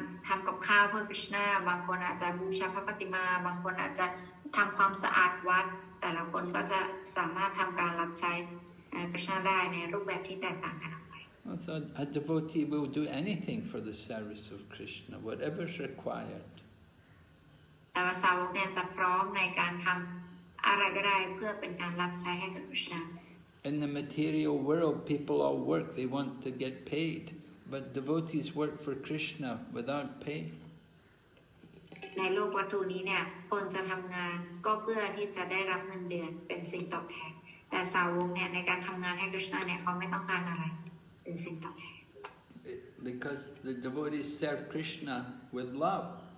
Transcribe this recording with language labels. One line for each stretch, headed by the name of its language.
Thai: ทำกับข้าวเพื่อ Krishna บางคนอาจจะบูชาพระประติมาบางคนอาจจะทำความสะอาดวัดแต่ละคนก็จะสามารถทำการรับใช้ Krishna ได้ในรูปแบบที่แตกต่างกันออกไป
English: So a devotee will do anything for the service of Krishna whatever is required
Thai: แต่ว่าสาวกเนี่ยจะพร้อมในการทำอะไรก็ได้เพื่อเป็นการรับใช้ให้กับ Krishna
English: In the material world people all work they want to get paidBut devotees work for Krishna without pay.
Thai: ในโลกวัตถุนี้เนี่ยคนจะทำงานก็เพื่อที่จะได้รับเงินเดือนเป็นสิ่งตอบแทนแต่สาวกเนี่ยในการทำงานให้ Krishna เนี่ยเขาไม่ต้องการอะไรเป็นสิ่งตอบแทน
English: Because the devotees serve Krishna with love.